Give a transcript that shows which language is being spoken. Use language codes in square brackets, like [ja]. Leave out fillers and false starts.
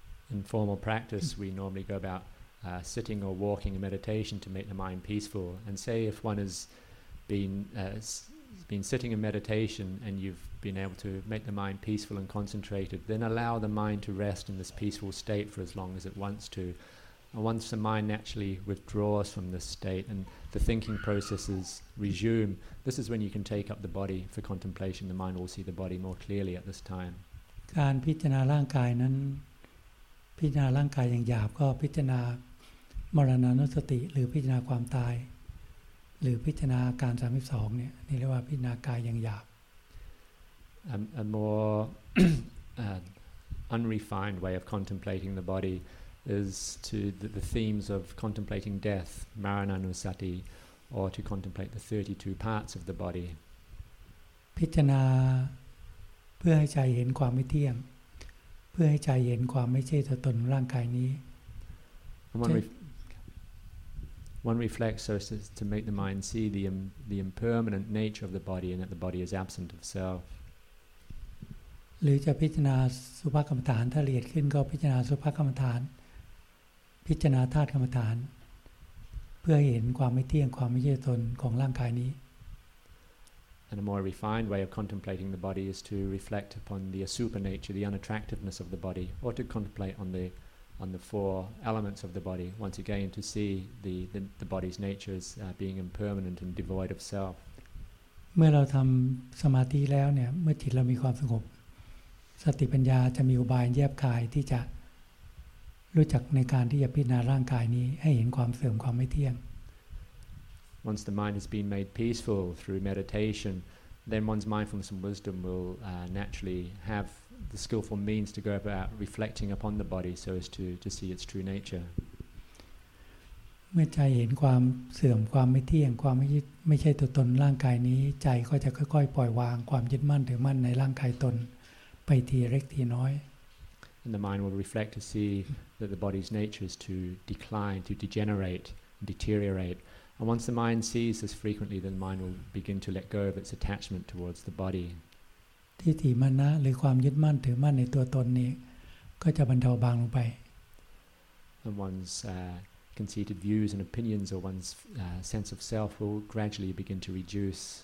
[en] In formal practice we normally go about sitting or walking in meditation to make the mind peaceful and say if one has been sitting in meditation and you've been able to make the mind peaceful and concentrated then allow the mind to rest in this peaceful state for as long as it wants to and once the mind naturally withdraws from this state and the thinking processes resume this is when you can take up the body for contemplation the mind will see the body more clearly at this time [th] การพิจารณาร่างกายนั้นพิจารณาร่างกายอย่างหยาบก็พิจารณามรณานุสติหรือพิจารณาความตายหรือพิจารณาการ32เนี่ยนี่เรียกว่าพิจารณากายอย่างหยาบ [en] a more unrefined way of contemplating the body is to the themes of contemplating death, Maranānusati, or to contemplate the 32 parts of the body. [th] พิจารณาเพื่อให้ใจเห็นความไม่เที่ยงเพื่อให้ใจเห็นความไม่ใช่ตัวตนร่างกายนี้ [en] One reflects so as to make the mind see the impermanent nature of the body and that the body is absent of self. [th] หรือจะพิจารณาสุภกรรมฐานถ้าละเอียดขึ้นก็พิจารณาสุภกรรมฐานพิจารณาธาตุกรรมฐานเพื่อเห็นความไม่เที่ยงความไม่ใช่ตนของร่างกายนี้ [en] And a more refined way of contemplating the body is to reflect upon the asupa nature, the unattractiveness of the body, or to contemplate on the four elements of the body, once again to see the body's natures being impermanent and devoid of self. [th] เมื่อเราทำสมาธิแล้วเนี่ยเมื่อจิตเรามีความสงบสติปัญญาจะมีอุบายแยบคายที่จะรู้จักในการที่จะพิจารณาร่างกายนี้ให้เห็นความเสื่อมความไม่เที่ยง [en] Once the mind has been made peaceful through meditation, then one's mindfulness and wisdom will naturally haveThe skillful means to go about reflecting upon the body so as to see its true nature. [th] เมื่อใจเห็นความเสื่อมความไม่เที่ยงความไม่ใช่ตัวตนร่างกายนี้ใจก็จะค่อยๆปล่อยวางความยึดมั่นถือมั่นในร่างกายตนไปทีเล็กทีน้อย [en] And the mind will reflect to see that the body's nature is to decline, to degenerate, deteriorate. And once the mind sees this frequently, then the mind will begin to let go of its attachment towards the body. [th] ทิฏฐิมานะหรือความยึดมั่นถือมั่นในตัวตนนี้ก็จะบรรเทาบางลงไป [en] And one's conceited views and opinions or one's sense of self will gradually begin to reduce.